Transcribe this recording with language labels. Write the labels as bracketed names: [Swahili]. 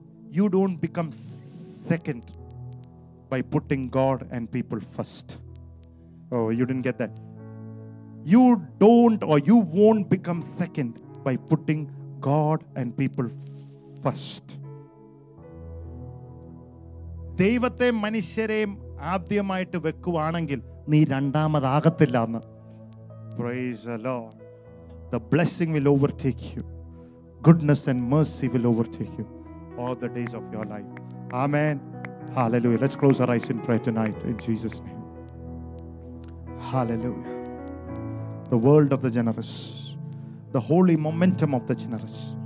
[English] You don't become second by putting God and people first. Oh, you didn't get that. You won't become second by putting God and people first. [Malayalam] ദൈവത്തെ മനുഷ്യരെയും ആദ്യമായിട്ട് വെക്കുവാണെങ്കിൽ നീ രണ്ടാമതാകത്തില്ല എന്ന്. [English] Praise the lord. The blessing will overtake you. Goodness and mercy will overtake you all the days of your life. Amen. Hallelujah. Let's close our eyes in prayer tonight in Jesus' name. Hallelujah. The world of the generous. The holy momentum of the generous.